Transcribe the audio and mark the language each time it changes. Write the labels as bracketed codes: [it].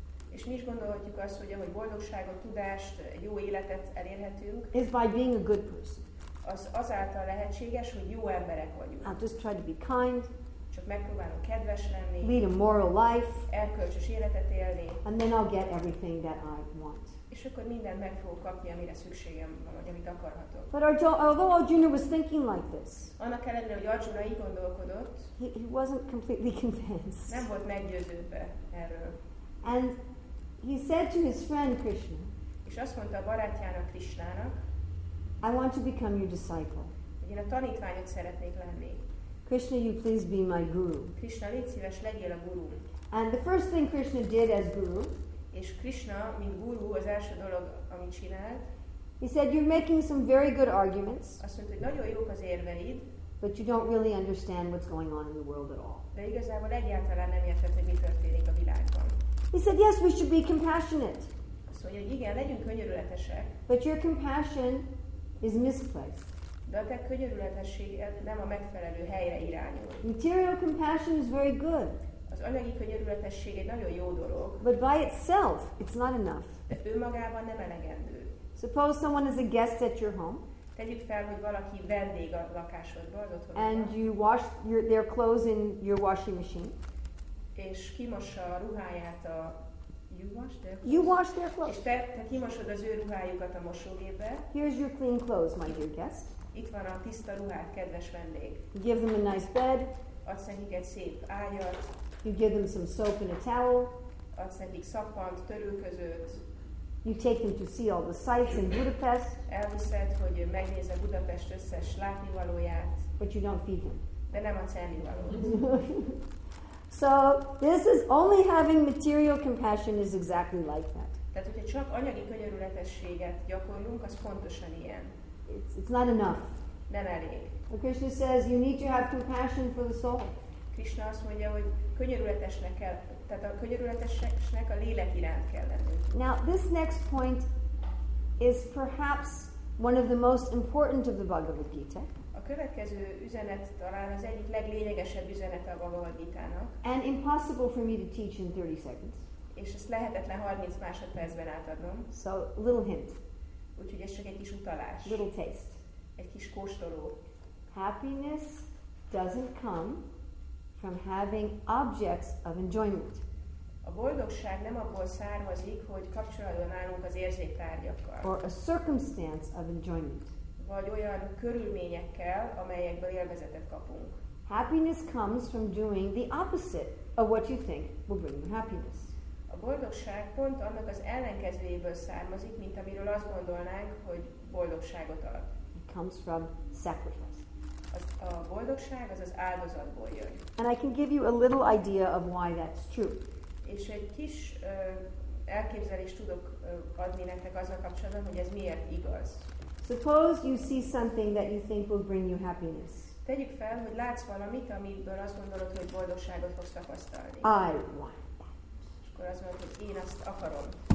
[hu] És mi is gondolhatjuk azt, hogy ahogy boldogságot, tudást, jó életet elérhetünk. [en] Is by being a good person. [hu] Az azáltal lehetséges, hogy jó emberek vagyunk. [en] I'll just try to be kind. [hu] Csak megpróbálok kedves lenni. [en] Lead a moral life. [hu] Erkölcsös életet élni. [en] And then I'll get everything that I want. [hu] És akkor mindent meg fogok kapni, amire szükségem van, vagy amit akarhatok. [en] But although Arjuna was thinking like this, [hu] annak ellenére, hogy Arjuna így gondolkodott, [en] he wasn't completely convinced. [hu] Nem volt meggyőződve erről. [en] And he said to his friend Krishna, [hu] és azt mondta a barátjának, Krishnának, [en] I want to become your disciple. [hu] Hogy én a tanítványod szeretnék lenni. [en] Krishna, you please be my guru. [hu] Krishna, légy szíves, legyél a guru. [en] And the first thing Krishna did as guru, [hu] és Krishna, mint guru, az első dolog, amit csinált, [en] He said, "You're making some very good arguments." [hu] Azt mondta, hogy nagyon jók az érveid. [en] But you don't really understand what's going on in the world at all. [hu] De igazából egyáltalán nem érted, hogy mi történik a világban. [en] He said, "Yes, we should be compassionate." [hu] Azt mondja, igen, legyünk könyörületesek. [en] But your compassion is misplaced. [hu] De a te könyörületességed nem a megfelelő helyre irányul. [en] Material compassion is very good. [hu] Az anyagi könyörületesség egy nagyon jó dolog. [en] But by itself, it's not enough. [hu] De önmagában nem elegendő. [en] Suppose someone is a guest at your home. [hu] Tegyük fel, hogy valaki vendég a lakásodban, az otthonodban. [en] And you wash their clothes in your washing machine. [hu] És kimossa a ruháját a [en] You wash their clothes. [hu] És te kimosod az ő ruhájukat a mosógépbe. [en] Here's your clean clothes, my dear guest. [hu] Itt van a tiszta ruhád, kedves vendég. [en] You give them a nice bed. [hu] Adsz nekik egy szép ágyat. [en] You give them some soap and a towel. [hu] Adsz nekik szappant, törülközőt. [en] You take them to see all the sights in Budapest. [hu] Elviszed, hogy megnézze Budapest összes látnivalóját. [en] But you don't feed them. [hu] De nem adsz ennivalót. [en] So this is only having material compassion is exactly like that. [hu] Tehát, hogyha csak anyagi könyörületességet gyakorlunk, az pontosan ilyen. [en] It's not enough. [hu] Nem elég. [en] The Krishna says you need to have compassion for the soul. [hu] Krishna azt mondja, hogy könyörületesnek kell, tehát a könyörületesnek a lélek iránt kell lenni. [en] Now this next point is perhaps one of the most important of the Bhagavad Gita. [hu] A következő üzenet talán az egyik leglényegesebb üzenet a Bhagavad Gita-nak. [en] And impossible for me to teach in 30 seconds. [hu] És ezt lehetetlen 30 másodpercben átadnom. [en] So little hint. [hu] Úgyhogy ez csak egy kis utalás. [en] Little taste. [hu] Egy kis kóstoló. [en] Happiness doesn't come from having objects of enjoyment. [hu] A boldogság nem abból származik, hogy kapcsolatban állunk az érzéktárgyakkal. [en] Or a circumstance of enjoyment. [hu] Vagy olyan körülményekkel, amelyekből élvezetet kapunk. [en] Happiness comes from doing the opposite of what you think will bring you happiness. [hu] A boldogság pont annak az ellenkezőjéből származik, mint amiről azt gondolnánk, hogy boldogságot ad. [en] It comes from sacrifice. [hu] A boldogság az az áldozatból jön. [en] And I can give you a little idea of why that's true. [hu] És egy kis elképzelést tudok adni nektek azzal kapcsolatban, hogy ez miért igaz. [en] Suppose you see something that you think will bring you happiness. [hu] Tegyük fel, hogy látsz valamit, amiből azt gondolod, hogy boldogságot fogsz tapasztalni. [en] I want that. [hu] És akkor azt mondod, hogy én azt akarom.